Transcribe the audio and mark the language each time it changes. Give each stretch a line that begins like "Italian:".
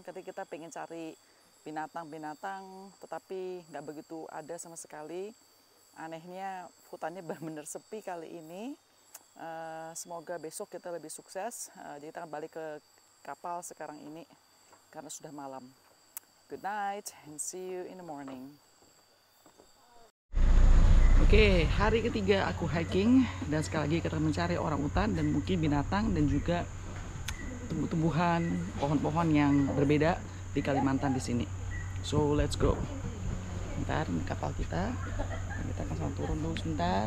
Indonesian: Ketika kita pengen cari binatang-binatang, tetapi nggak begitu ada sama sekali. Anehnya hutannya benar-benar sepi kali ini. Semoga besok kita lebih sukses. Jadi kita akan balik ke kapal sekarang ini karena sudah malam.
English: Good night and see you in the morning.
Indonesian: Oke, hari ketiga aku hiking dan sekali lagi kita mencari orang utan dan mungkin binatang dan juga tumbuh-tumbuhan, pohon-pohon yang berbeda di Kalimantan di sini.
English: So, let's go.
Indonesian: Bentar, ini kapal kita. Kita akan sama turun dulu sebentar.